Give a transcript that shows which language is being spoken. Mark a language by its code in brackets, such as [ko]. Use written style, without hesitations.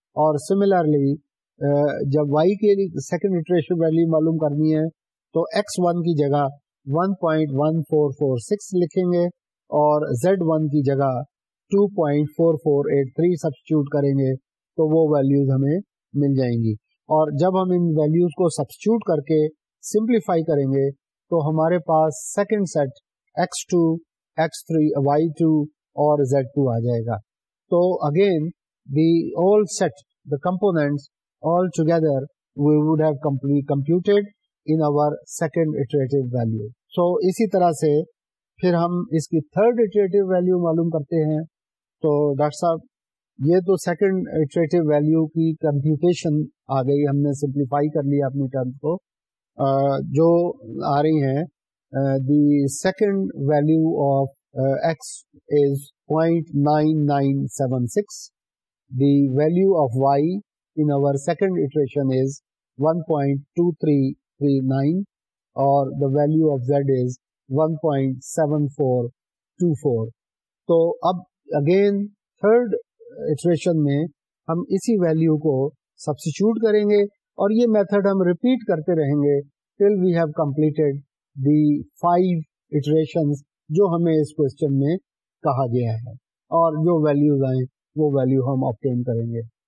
[ur] اور سملرلی جب y کے لیے سیکنڈ اٹریشن ویلیو معلوم کرنی ہے تو x1 کی جگہ 1.1446 لکھیں گے اور z1 کی جگہ 2.4483 سبسٹیٹیوٹ کریں گے تو وہ ویلیوز ہمیں مل جائیں گی. اور جب ہم ان ویلیوز کو سبسٹیٹیوٹ کر کے سمپلیفائی کریں گے تو ہمارے پاس second set x to x three Y to اور زیڈ ٹو آ جائے گا. [en] تو again the all set the components all together we would have computed in our second iterative value. [ur] سو اسی طرح سے پھر ہم اس کی تھرڈ اٹریٹیو ویلیو معلوم کرتے ہیں. تو ڈاکٹر صاحب یہ تو سیکنڈ اٹریٹیو ویلیو کی کمپیوٹیشن آ گئی, ہم نے سمپلیفائی کر لیا اپنی ٹرمز کو. جو آ رہی ہیں [en] The second value of x is 0.9976, the value of y in our second iteration is 1.2339 اور the value of z is 1.7424. [ur] تو اب اگین تھرڈ اٹریشن میں ہم اسی ویلیو کو سبسٹیٹیوٹ کریں گے اور یہ میتھڈ ہم ریپیٹ کرتے رہیں گے [en] till we have completed the five iterations [ur] جو ہمیں اس کوشچن میں کہا گیا ہے اور جو ویلیوز آئیں وہ ویلیو ہم آپٹین کریں گے.